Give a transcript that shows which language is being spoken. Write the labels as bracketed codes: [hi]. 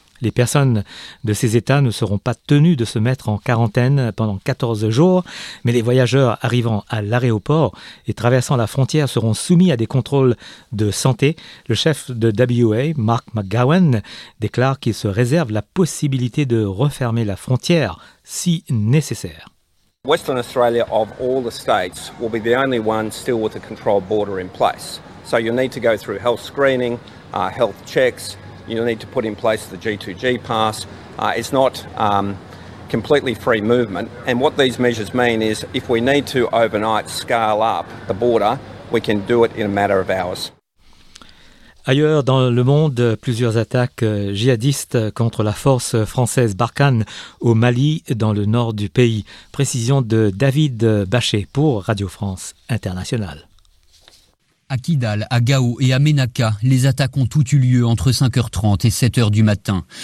[fr] Les personnes de ces États ne seront pas tenues de se mettre en quarantaine pendant 14 jours, mais les voyageurs arrivant à l'aéroport et traversant la frontière seront soumis à des contrôles de santé. Le chef de WA, Mark McGowan, déclare qu'il se réserve la possibilité de refermer la frontière si nécessaire. [en] Western Australia, of all the states, will be the only one still with a controlled border in place. So you'll need to go through health screening, health checks. You'll need to put in place the G2G pass. It's not completely free movement. And what these measures mean is if we need to overnight scale up the border, we can do it in a matter of hours. [fr] Ailleurs dans le monde, plusieurs attaques djihadistes contre la force française Barkhane au Mali, dans le nord du pays. Précision de David Bachet pour Radio France Internationale. À Kidal, à Gao et à Ménaka, les attaques ont toutes eu lieu entre 5h30 et 7h du matin.